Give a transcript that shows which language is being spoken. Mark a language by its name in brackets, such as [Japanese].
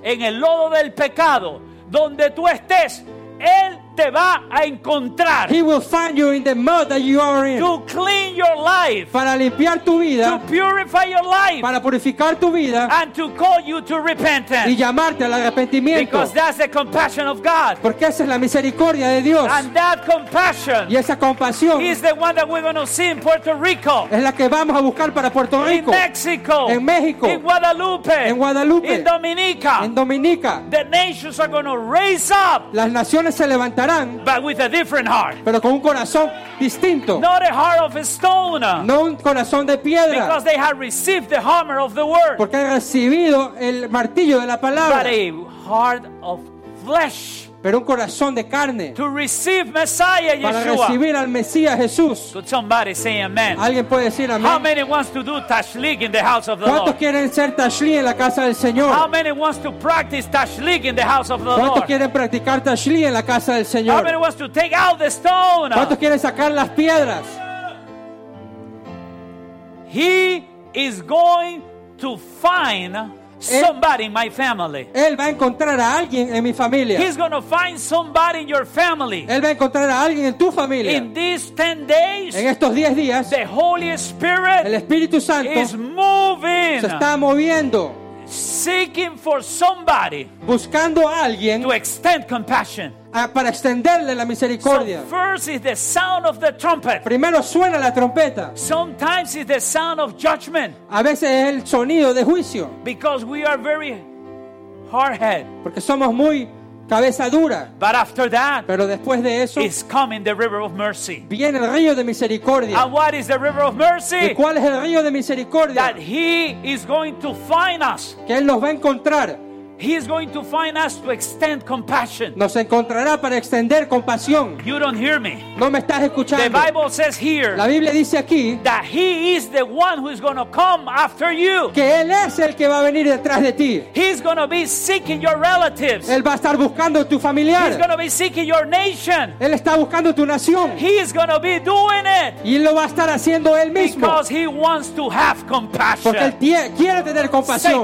[Spanish] En el lodo del pecado, donde tú estés, él te va a encontrar. [English] He will find you in the mud that you are in. To clean your life, [Spanish] para limpiar tu vida. [English] To purify your life, [Spanish] para purificar tu vida. [English] And to call you to repentance, [Spanish] y llamarte al arrepentimiento. [English] Because that's the compassion of God. [Spanish] Porque esa es la misericordia de Dios. [English] And that compassion, [Spanish] y esa compasión, [English] is the one that we're going to see in Puerto Rico. [Spanish] Es la que vamos a buscar para Puerto Rico. [English] In Mexico, [Spanish] en México. [English] In Guadalupe, [Spanish] en Guadalupe. [English] In Dominica, [Spanish] en Dominica. [English] The nations are going to raise up. [Spanish] Las naciones se levantarán. [English] But with a different heart. [Spanish] Pero con un corazón distinto. [English] Not a heart of stone. [Spanish] No un corazón de piedra. [English] Because they have received the hammer of the word. [Spanish] Porque han recibido el martillo de la palabra. [English] But a heart of flesh. [Spanish] Pero un corazón de carne. [English] To receive Messiah Yeshua. [Spanish] Para recibir al Mesías Jesús. [English] Could somebody say amen? [Spanish] ¿Alguien puede decir amén? [English] How many wants to do tashlig in the house of the [Spanish] ¿Cuántos ¿Cuántos quieren ser tashlig en la casa del Señor? [English] How many wants to practice tashlig in the house of the [Spanish] ¿Cuántos [English] Lord? [Spanish] ¿Cuántos quieren practicar tashlig en la casa del Señor? [English] How many wants to take out the stone? [Spanish] ¿Cuántos quieren sacar las piedras? [English] He is going to find somebody in my family. [Spanish] Él va a encontrar a alguien en mi familia. [English] He's going to find somebody in your family. [Spanish] Él va a encontrar a alguien en tu familia. [English] In these 10 days, [Spanish] en estos 10 días, [English] the Holy Spirit, [Spanish] el Espíritu Santo, [English] is moving. [Spanish] Se está moviendo. [English] Seeking for somebody. [Spanish] Buscando a alguien. [English] To extend compassion. [Spanish] Para extenderle la misericordia. [English] So first is the sound of the trumpet. [Spanish] Primero suena la trompeta. [English] Sometimes it's the sound of judgment. [Spanish] A veces es el sonido de juicio. [English] Because we are very hard-headed. [Spanish] Porque somos muy cabeza dura. [English] But after that, [Spanish] pero después de eso, [English] is coming the river of mercy. [Spanish] Viene el río de misericordia. [English] And what is the river of mercy? [Spanish] ¿Y cuál es el río de misericordia? [English] That he is going to find us. [Spanish] Que él nos va a encontrar. [English] He is going to find us to extend compassion. [Spanish] Nos encontrará para extender compasión. [English] You don't hear me. [Spanish] No me estás escuchando. [English] The Bible says here. [Spanish] La Biblia dice aquí. [English] That he is the one who is going to come after you. [Spanish] Que él es el que va a venir detrás de ti. [English] He's going to be seeking your relatives. [Spanish] Él va a estar buscando tu familiar. [English] He's going to be seeking your nation. [Spanish] Él está buscando tu nación. [English] He is going to be doing it. [Spanish] Y lo va a estar haciendo él mismo. [English] Because he wants to have compassion. [Spanish] Porque él quiere tener compasión.